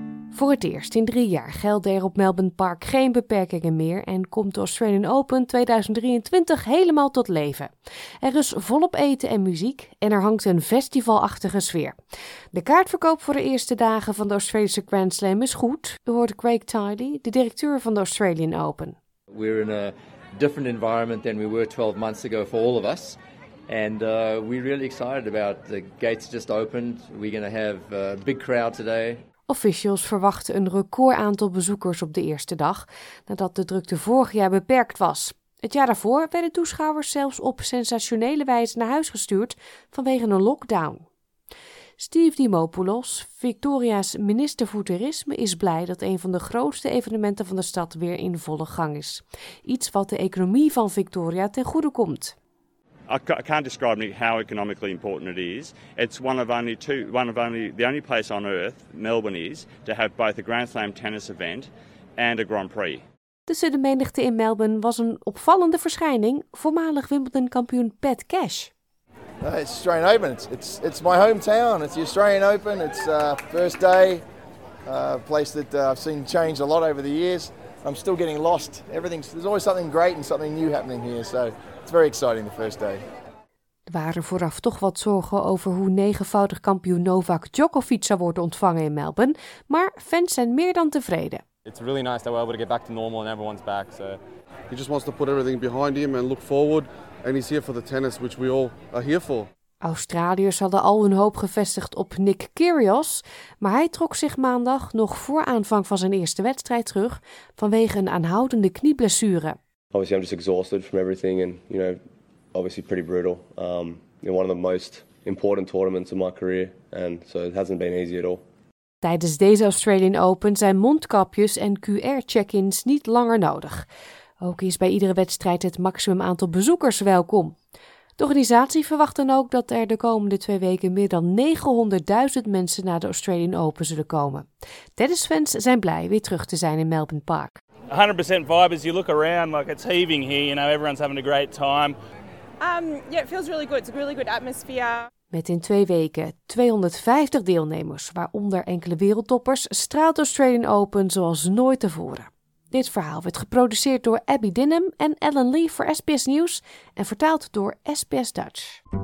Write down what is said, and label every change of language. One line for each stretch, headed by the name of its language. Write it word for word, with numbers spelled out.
Dutch: Voor het eerst in drie jaar gelden er op Melbourne Park geen beperkingen meer en komt de Australian Open tweeduizend drieëntwintig helemaal tot leven. Er is volop eten en muziek en er hangt een festivalachtige sfeer. De kaartverkoop voor de eerste dagen van de Australische Grand Slam is goed. U hoort Craig Tiley, de directeur van de Australian Open.
English: We're in a different environment than we were twelve months ago for all of us. And uh, we're really excited about the gates just opened. We're going to have a big crowd today.
Dutch: Officials verwachten een record aantal bezoekers op de eerste dag, nadat de drukte vorig jaar beperkt was. Het jaar daarvoor werden toeschouwers zelfs op sensationele wijze naar huis gestuurd vanwege een lockdown. Steve Dimopoulos, Victoria's minister voor toerisme, is blij dat een van de grootste evenementen van de stad weer in volle gang is. Iets wat de economie van Victoria ten goede komt.
English: I can't describe how economically important it is. It's one of only two, one of only the only place on earth, Melbourne is, to have both a Grand Slam tennis event and a Grand Prix.
Dutch: De suddenmenigte in Melbourne was een opvallende verschijning, voormalig Wimbledon-kampioen Pat Cash.
English: No, it's Australian Open. It's, it's it's my hometown. It's the Australian Open. It's uh, first day, a uh, place that uh, I've seen change a lot over the years. I'm still getting lost. Everything's there's always something great and something new happening here. So it's very exciting the first day.
Dutch: Er waren vooraf toch wat zorgen over hoe negenvoudig kampioen Novak Djokovic zou worden ontvangen in Melbourne, maar fans zijn meer dan tevreden.
English: It's really nice that we're able to get back to normal and everyone's back. So he just wants to put everything behind him and look forward. And he's here for the tennis, which we all are here for.
Dutch: Australiërs hadden al hun hoop gevestigd op Nick Kyrgios, maar hij trok zich maandag nog voor aanvang van zijn eerste wedstrijd terug vanwege een aanhoudende knieblessure.
English: Obviously, I'm just exhausted from everything, and you know, obviously pretty brutal. Um, you know, one of the most important tournaments of my career, and so it hasn't been easy at all.
Dutch: Tijdens deze Australian Open zijn mondkapjes en Q R-check-ins niet langer nodig. Ook is bij iedere wedstrijd het maximum aantal bezoekers welkom. De organisatie verwacht dan ook dat er de komende twee weken meer dan negenhonderdduizend mensen naar de Australian Open zullen komen. Tennisfans zijn blij weer terug te zijn in Melbourne Park.
English: one hundred percent vibe as you look around, like it's heaving here, you know, everyone's having a great time. Um, yeah, it feels really good. It's a really good atmosphere.
Dutch: Met in twee weken tweehonderdvijftig deelnemers, waaronder enkele wereldtoppers, straalt Australian Open zoals nooit tevoren. Dit verhaal werd geproduceerd door Abby Dinham en Ellen Lee voor S B S Nieuws en vertaald door S B S Dutch.